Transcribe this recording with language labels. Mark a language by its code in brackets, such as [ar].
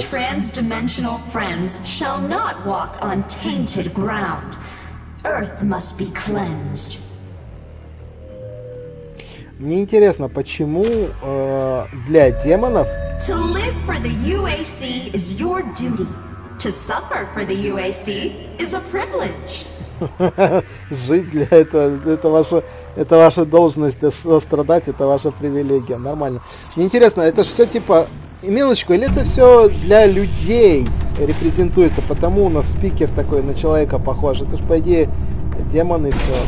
[en] Our trans-dimensional friends shall not walk on tainted ground. Earth must be cleansed. [ru] Мне интересно, почему для демонов... [en] To live for the UAC is your duty. To suffer for the UAC is a privilege. [ru] Жить для этого, это ваша должность, сострадать, это ваша привилегия. Нормально. Мне интересно, это же все типа... Милочку, или это все для людей репрезентуется? Потому у нас спикер такой на человека похож. Это ж по идее демон и все.